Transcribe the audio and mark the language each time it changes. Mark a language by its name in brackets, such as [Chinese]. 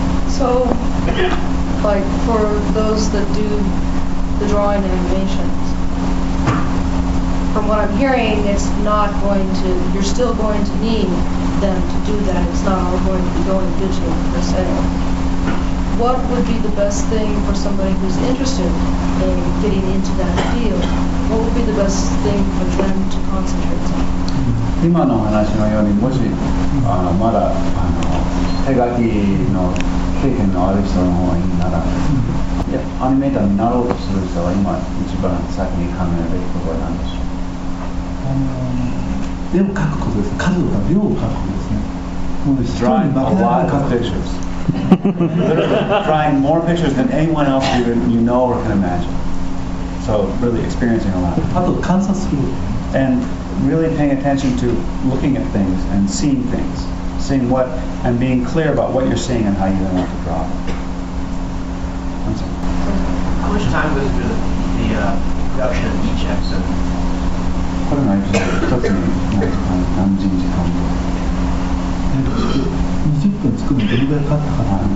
[English] So, like, for those that do the drawing and animations,From what I'm hearing, you're still going to need them to do that. It's not all going to be going digital per se. What would be the best thing for somebody who's interested in getting into that field? What would be the best thing for them to concentrate on? [Japanese] 今の話のように、もし、まだ、手書きの経験のある人の方がいいなら、アニメーターになろうとする人は今一番先に考えるところなんでしょう。絵を描くことです。数とか量を描くことですね。もう人に負けられない数です。 [English] Drawing more pictures than anyone else you know or can imagine. So really experiencing a lot. [Japanese] あと観察する。 [English] And really paying attention to looking at things and seeing things. Seeing what and being clear about what you're seeing and how you want to draw. How much time goes through the production of each episode? [Japanese] これが一つに何時に時間と 20分作るのどれくらいかかったかな